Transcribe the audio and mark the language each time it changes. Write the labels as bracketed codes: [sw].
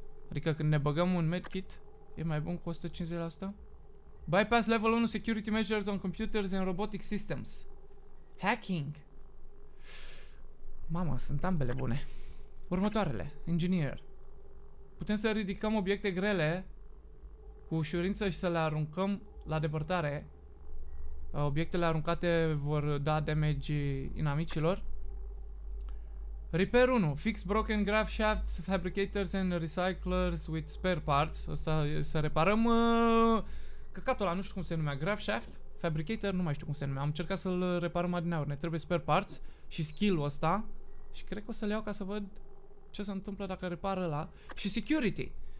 [ro] Adică când ne băgăm un med kit, e mai bun cu 150%? [en] Bypass level 1 security measures on computers and robotic systems. [ro] Hacking. Mamă, sunt ambele bune. Următoarele, engineer. Putem să ridicăm obiecte grele cu ușurință și să le aruncăm la depărtare. Obiectele aruncate vor da damage inamicilor. Repair 1. [en] Fix broken grav shafts, fabricators and recyclers with spare parts. [ro] Asta să reparăm căcatul ăla, nu știu cum se numea, grav shaft. Fabricator, nu mai știu cum se numea. Am încercat să-l reparăm adineauri. Ne trebuie spare parts și skill-ul ăsta. Și cred că o să-l iau ca să văd ce se întâmplă dacă repar ăla. Și security.